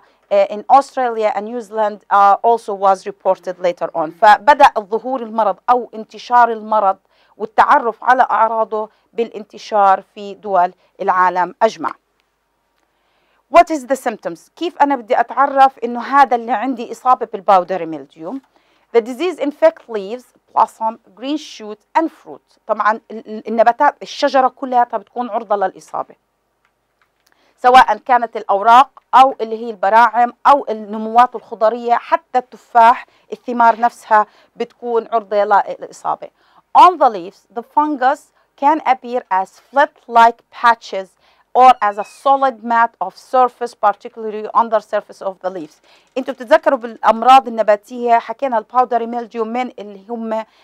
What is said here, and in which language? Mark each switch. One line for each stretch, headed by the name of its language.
English: In Australia and New Zealand also was reported later on.
Arabic: فبدأ ظهور المرض أو انتشار المرض والتعرف على أعراضه بالانتشار في دول العالم أجمع.
English: What is the symptoms?
Arabic: كيف أنا بدي أتعرف إنه هذا اللي عندي إصابة بالباودري ميلديو؟
English: The disease infects leaves, blossom, green shoot and fruit.
Arabic: طبعا النباتات, الشجرة كلها بتكون عرضة للإصابة, سواء كانت الأوراق أو اللي هي البراعم أو النموات الخضرية, حتى التفاح الثمار نفسها بتكون عرضة للإصابة.
English: On the leaves, the fungus can appear as flat-like patches or as a solid mat of surface, particularly under surface of the leaves.
Arabic: انتوا بتتذكروا بالأمراض النباتية حكينا الباودري ميلديو من اللي هم